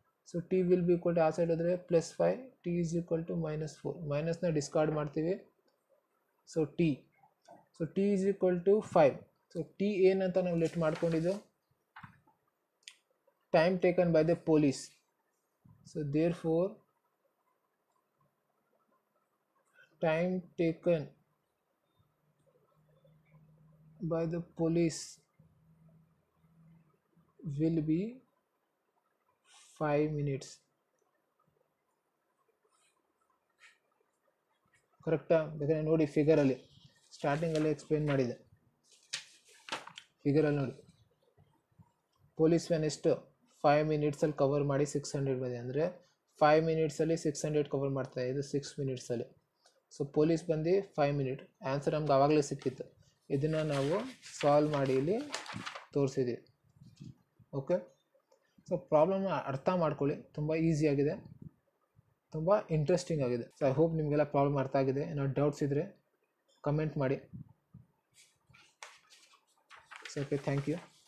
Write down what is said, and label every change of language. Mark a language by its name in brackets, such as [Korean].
[Kannada] So T will be equal to ಆ side ಆದರೆ plus 5, T is equal to minus 4, ಮೈನಸ್ನ discard ಮಾಡ್ತೀವಿ. So T, so T is equal to 5. So T ಏನಂತ ನಾವು let ಮಾಡ್ಕೊಂಡಿದ್ದು, [English] time taken by the police. So therefore time taken by the police will be 5 minutes. [Kannada] Correct ah, bekare nodi figure alli starting alli explain madide figure alli nodi police when is to 5 ಮಿನಿಟ್ಸಲ್ಲಿ cover ಮಾಡಿ 600 ಬಂದಿದೆ ಅಂದರೆ 5 ಮಿನಿಟ್ಸಲ್ಲಿ 600 cover ಮಾಡ್ತಾ ಇದೆ, 6 ಮಿನಿಟ್ಸಲ್ಲಿ. So police ಬಂದು 5 minute, answer ನಮ್ಗೆ ಆವಾಗಲೇ ಸಿಕ್ಕಿತ್ತು, ಇದನ್ನು ನಾವು ಸಾಲ್ವ್ ಮಾಡಿ ಇಲ್ಲಿ ತೋರಿಸಿದ್ವಿ. ಓಕೆ, ಸೊ ಪ್ರಾಬ್ಲಮ್ನ ಅರ್ಥ ಮಾಡ್ಕೊಳ್ಳಿ, ತುಂಬ ಈಸಿಯಾಗಿದೆ, ತುಂಬ ಇಂಟ್ರೆಸ್ಟಿಂಗ್ ಆಗಿದೆ. ಸೊ [English] I hope [Kannada] ನಿಮಗೆಲ್ಲ ಪ್ರಾಬ್ಲಮ್ ಅರ್ಥ ಆಗಿದೆ. ಏನೋ ಡೌಟ್ಸ್ ಇದ್ದರೆ ಕಮೆಂಟ್ ಮಾಡಿ. So okay, thank you.